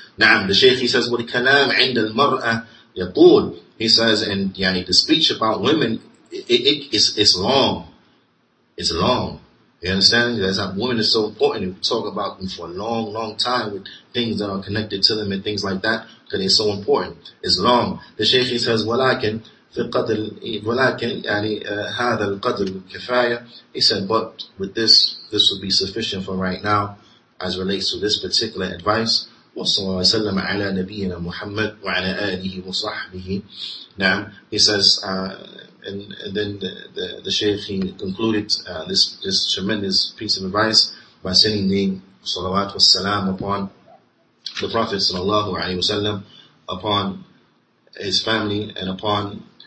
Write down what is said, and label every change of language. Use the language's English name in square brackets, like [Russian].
[English] Na'am, the Shaykh, he says, [Arabic] وَالْكَلَامْ عِنْدَ الْمَرْأَةِ يَقُولُ. [English] He says, and the speech about women, it's long. It's long. You understand? That's how women is so important. We talk about them for a long, long time with things that are connected to them and things like that because it's so important. It's long. The Shaykh, he says, [Arabic] وَلَكِنْ في قدر ولكن هذا القدر كفاية. [English] He said, but with this would be sufficient for right now as relates to this particular advice. [Arabic] وصلى الله وسلم على نبينا محمد وعلى آله وصحبه. نعم. [English] He says, and then the Shaykh, he concluded this tremendous piece of advice by sending the salawat wassalam upon the Prophet صلى الله عليه وسلم, upon his family, and upon